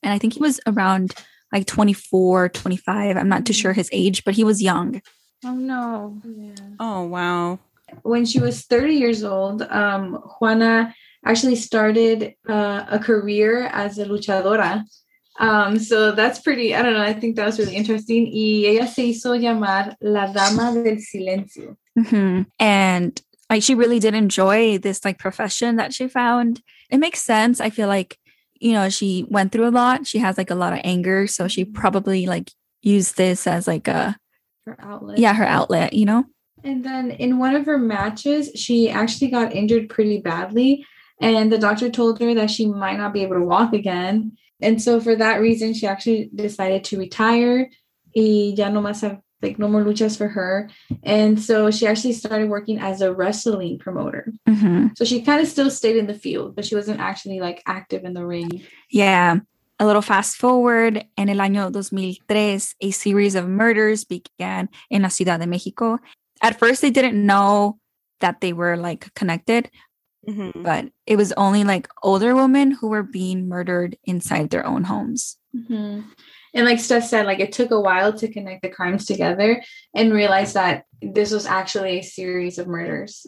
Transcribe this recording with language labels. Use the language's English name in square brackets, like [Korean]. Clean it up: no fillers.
[English] And I think he was around like 24, 25. I'm not too sure his age, but he was young. Oh, no. Yeah. Oh, wow. When she was 30 years old, Juana actually started a career as a luchadora. So that's pretty, I don't know, I think that was really interesting. [Spanish] Y ella se hizo llamar la dama del silencio. [English] Mm-hmm. And like, she really did enjoy this like profession that she found. It makes sense. I feel like, you know, she went through a lot. She has like a lot of anger. So she probably like used this as like a her outlet. Yeah, her outlet, you know. And then in one of her matches, she actually got injured pretty badly. And the doctor told her that she might not be able to walk again. And so for that reason, she actually decided to retire. [Spanish] Y ya no más [English] have like no more luchas for her. And so she actually started working as a wrestling promoter. Mm-hmm. So she kind of still stayed in the field, but she wasn't actually like active in the ring. Yeah. A little fast forward. [Spanish] En el año 2003, [English] a series of murders began in la Ciudad de México. At first, they didn't know that they were like connected, mm-hmm. but it was only like older women who were being murdered inside their own homes. Mm-hmm. And like Steph said, like it took a while to connect the crimes together and realize that this was actually a series of murders.